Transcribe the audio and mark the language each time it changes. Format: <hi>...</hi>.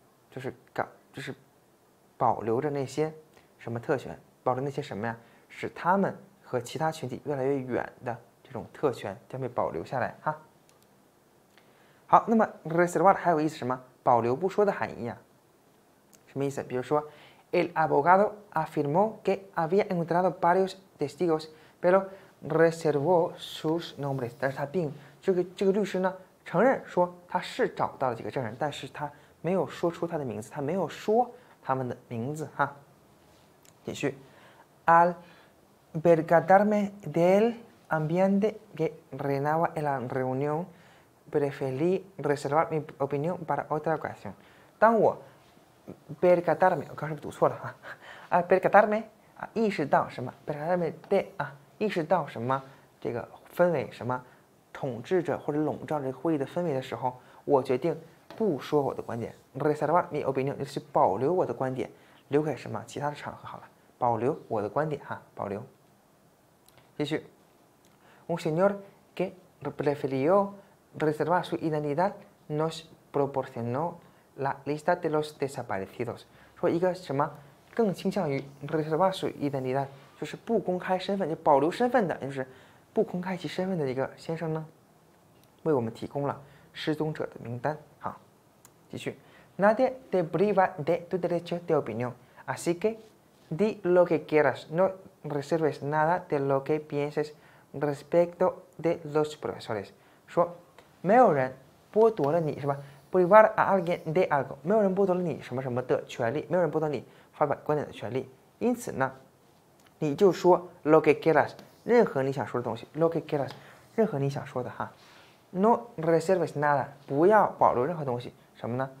<zh>就是保留着那些什么特权，保留那些什么呀？使他们和其他群体越来越远的这种特权将被保留下来哈。好，那么 reservar 还有意思什么？保留不说的含义啊。什么意思？比如说</zh> <es>，el abogado afirmó que había encontrado varios testigos, pero reservó sus nombres。</es> <zh>但是他并这个律师呢，承认说他是找到了几个证人，但是他没有说出他的名字，他没有说他们的名字哈。继续</zh> <es>，al percatarme del ambiente que reinaba en la reunión, preferí reservar mi opinión para otra ocasión。</es> <zh>当我 percatarme， 我刚才读错了哈，啊 percatarme， 啊意识到什么 ？</zh> <es>percatarme de</es> <zh>啊，意识到什么？这个氛围什么？统治着或者笼罩着会议的氛围的时候，我决定不说我的观点 ，</zh> <es>reservar mi opinión，</es> <zh>就是保留我的观点，留给什么其他的场合好了，保留我的观点哈，保留。继续 ，</zh> <es>un señor que prefirió reservar su identidad nos proporcionó la lista de los desaparecidos，</es> <zh>说一个什么更倾向于</zh> <es>reservar su identidad，</es> <zh>就是不公开身份，就保留身份的，就是不公开其身份的一个先生呢，为我们提供了失踪者的名单。</zh> <es>好，继续 ，nadie te priva de tu derecho de opinión， así que di lo que quieras， no reserves nada de lo que pienses respecto de los profesores，</es> <zh>说没有人剥夺了你是吧？</zh> <es>Privar a alguien de algo，</es> <zh>没有人剥夺了你什么什么的权利，没有人剥夺你发表观点的权利。因此呢，你就说</zh> <es>lo que quieras，</es> <zh>任何你想说的东西 ，lo que quieras， 任何你想说的哈。</zh> <es>No reserves nada，</es> <zh>不要保留任何东西。什么呢？</zh>